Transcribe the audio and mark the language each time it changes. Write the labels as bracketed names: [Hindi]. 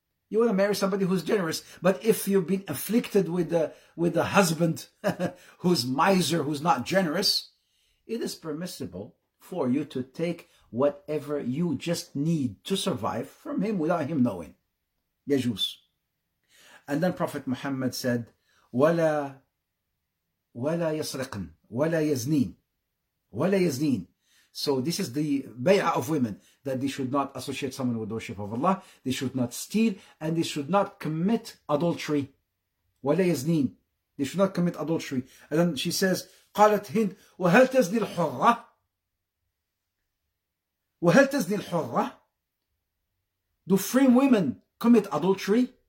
[English] You want to marry somebody who's generous. But if you've been afflicted with a husband who's miser, who's not generous, it is permissible for you to take whatever you just need to survive from him without him knowing. [Arabic] يجوز. [English] And then Prophet Muhammad said, [Arabic] ولا يسرقن ولا يزنين ولا يزنين. [English] So this is the bay'ah of women, that they should not associate someone with the worship of Allah, they should not steal, and they should not commit adultery. [Arabic] وَلَا يَزْنِين. [English] They should not commit adultery. And then she says, [Arabic] قَالَتْ هِنْدْ وَهَلْ تَزْنِي الْحُرَّةِ [English] وَهَلْ تَزْنِي الْحُرَّةِ. Do free women commit adultery?